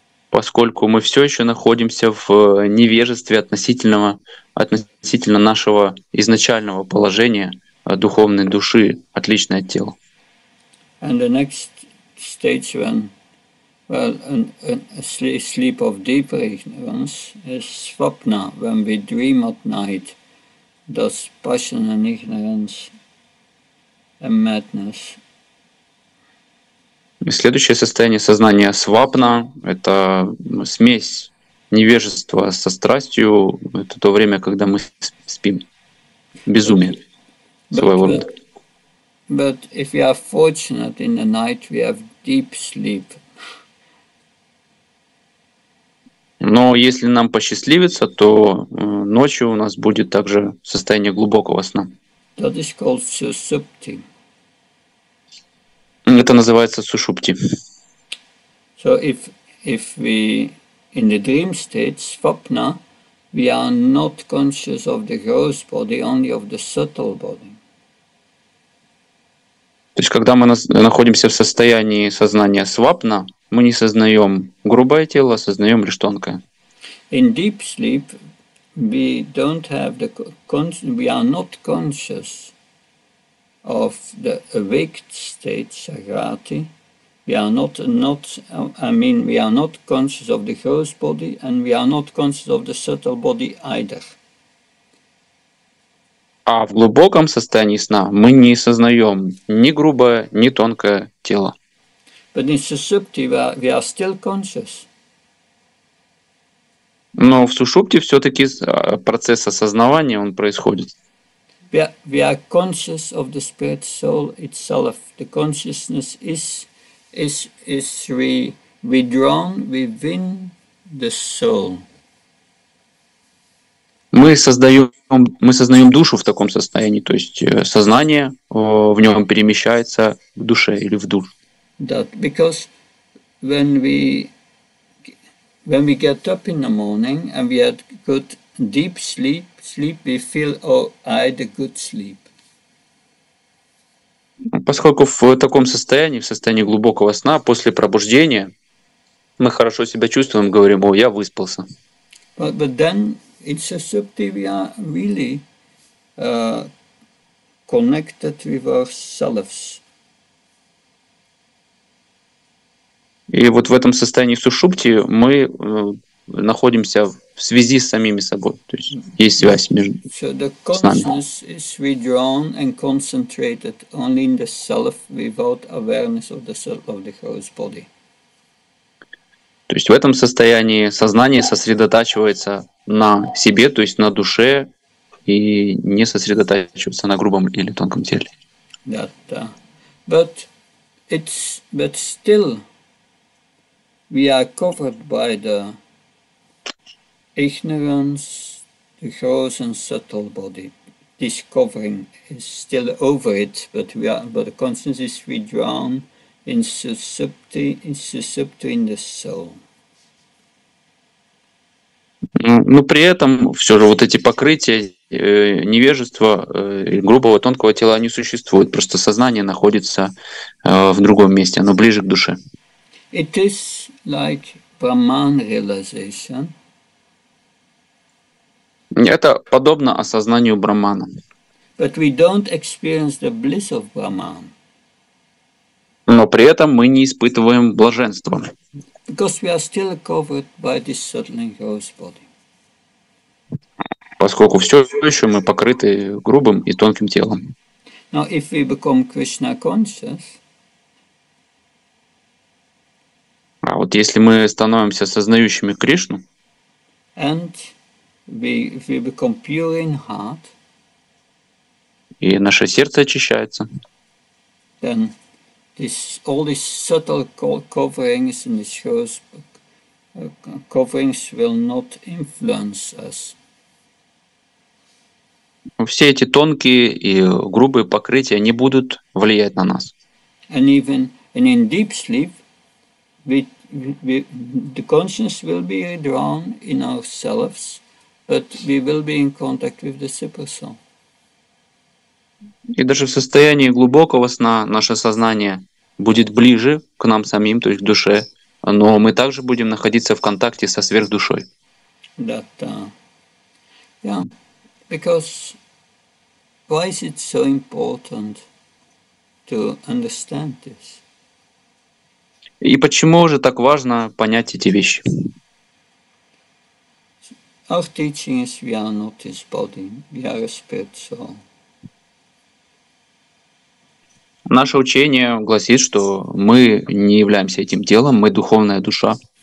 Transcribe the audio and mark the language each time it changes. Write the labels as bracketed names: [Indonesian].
[Russian] Поскольку мы все еще находимся в невежестве относительно нашего изначального положения духовной души, отличной от тела. [English] And the next stage when, well, a sleep of deeper ignorance is svapna, when we dream at night, thus passion and ignorance and madness. [Russian] Следующее состояние сознания — свапна. Это смесь невежества со страстью. Это то время, когда мы спим. Безумие. [English] But if we are fortunate in the night, we have deep sleep. [Russian] Но если нам посчастливится, то ночью у нас будет также состояние глубокого сна. [English] That is called susupti. [Russian] Это называется сушупти. [English] So if we in the dream state, svapna, we are not conscious of the gross body, only of the subtle body. [Russian] То есть когда мы находимся в состоянии сознания свапна, мы не сознаем грубое тело, сознаем лишь тонкое. [English] In deep sleep we don't have the we are not conscious of the awake state, sagrati, We are not I mean, we are not conscious of the gross body, and we are not conscious of the subtle body either. [Russian] А в глубоком состоянии сна мы не сознаем ни грубое, ни тонкое тело. [English] But in susupti we are still conscious. [Russian] Но в сушупте все-таки процесс осознавания он происходит. [English] We are conscious of the spirit soul itself. The consciousness is withdrawn within the soul. [Russian] Мы сознаем душу в таком состоянии, то есть сознание в нем перемещается в душе или в душ. [English] That because when we get up in the morning and we had good deep sleep, we feel, oh, I had a good sleep. [Russian] Поскольку в таком состоянии, в состоянии глубокого сна, после пробуждения, мы хорошо себя чувствуем, говорим, о, я выспался. [English] But then in susupti we are really connected with ourselves. [Russian] И вот в этом состоянии сушупти мы находимся в связи с самими собой, то есть есть связь между с нами. [English] So the consciousness is withdrawn and concentrated only in the self without awareness of the self of the gross body. [Russian] То есть в этом состоянии сознание сосредотачивается на себе, то есть на душе, и не сосредотачивается на грубом или тонком теле. [English] That, but still we are covered by the ignorance, the gross and subtle body. This covering is still over it, but the consciousness is withdrawn in susupti in the soul. [Russian] Но при этом все же вот эти покрытия невежества грубого тонкого тела не существуют. Просто сознание находится в другом месте, оно ближе к душе. [English] It is like Brahman realization. [Russian] Это подобно осознанию Брахмана. [English] But we don't experience the bliss of Brahman. [Russian] Но при этом мы не испытываем блаженства. [English] Because we are still covered by this subtle gross body. [Russian] Поскольку все еще мы покрыты грубым и тонким телом. [English] Now, if we become Krishna conscious, [Russian] а вот если мы становимся сознающими Кришну, [English] and we become pure in heart, [Russian] и наше сердце очищается, [English] then this, all these subtle coverings and these gross coverings will not influence us. [Russian] Все эти тонкие и грубые покрытия не будут влиять на нас. [English] And even and in deep sleep, we the consciousness will be withdrawn in ourselves, but we will be in contact with the super soul. [Russian] И даже в состоянии глубокого сна наше сознание будет ближе к нам самим, то есть к душе, но мы также будем находиться в контакте со сверхдушой. [English] That, yeah, because why is it so important to understand this? [Russian] И почему же так важно понять эти вещи? [English] Our teaching is we are not this body, we are a spirit soul. [Russian] Наше учение гласит, что мы не являемся этим телом, мы духовная душа.